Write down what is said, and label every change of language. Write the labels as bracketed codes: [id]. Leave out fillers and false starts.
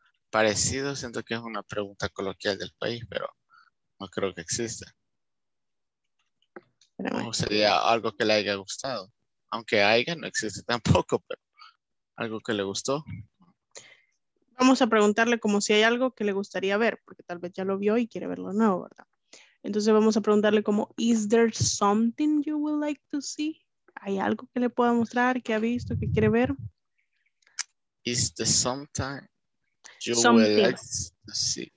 [es] Parecido, siento que es una pregunta coloquial del país, pero no creo que exista. O sería algo que le haya gustado. Aunque haya, no existe tampoco, pero algo que le gustó. Vamos a preguntarle como si hay algo que le gustaría ver, porque tal vez ya lo vio y quiere verlo nuevo, ¿verdad? Entonces vamos a preguntarle como, [en] is there something you would like to see? [es] ¿Hay algo que le pueda mostrar, que ha visto, que quiere ver? [en] Is there something you would like to see?